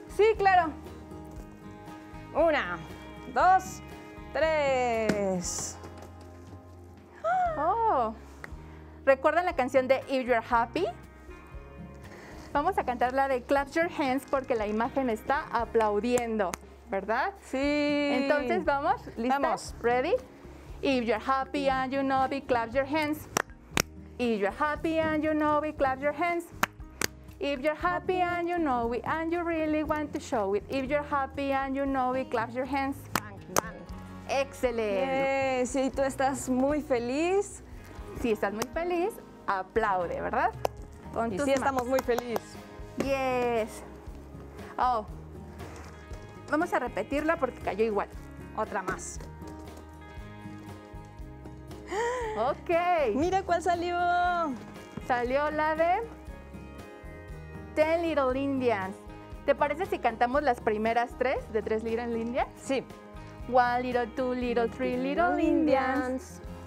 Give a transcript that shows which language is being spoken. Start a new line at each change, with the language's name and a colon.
Spanish: Sí, claro. Una, dos... ¡Tres! ¡Oh! ¿Recuerdan la canción de If You're Happy? Vamos a cantar la de Clap Your Hands porque la imagen está aplaudiendo, ¿verdad? ¡Sí! Entonces, ¿vamos? ¿Listas? Vamos.
English: ¿Ready? If you're happy and you know it, clap your hands. If you're happy and you know it, clap your hands. If you're happy and you know it and you really want to show it. If you're happy and you know it, clap your hands.
Spanish: ¡Excelente! Sí, tú estás muy feliz. Si estás muy feliz, aplaude, ¿verdad? Con y tus sí, manos. Estamos muy feliz.
English: ¡Yes! Oh.
Spanish: Vamos a repetirla porque cayó igual. Otra más.
English: ¡Ok!
Spanish: ¡Mira cuál salió! Salió la de 10 Little Indians. ¿Te parece si cantamos las primeras tres de 3 Little Indians? Sí.
English: 1 little, 2 little, 3 little Indians.